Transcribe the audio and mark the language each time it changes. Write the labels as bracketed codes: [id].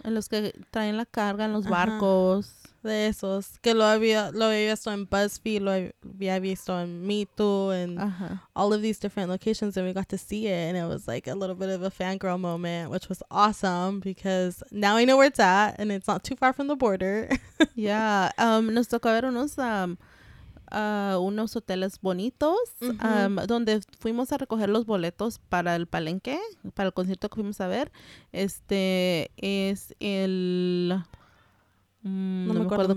[es] En los que traen la carga, en los barcos. De esos, que lo había visto en BuzzFeed, lo había visto en MeToo, [en] and all of these different locations, and we got to see it, and it was like a little bit of a fangirl moment, which was awesome, because now I know where it's at, and it's not too far from the border. [es] Yeah, nos tocó ver unos hoteles bonitos, donde fuimos a recoger los boletos para el Palenque, para el concierto que fuimos a ver. Este es el... No me acuerdo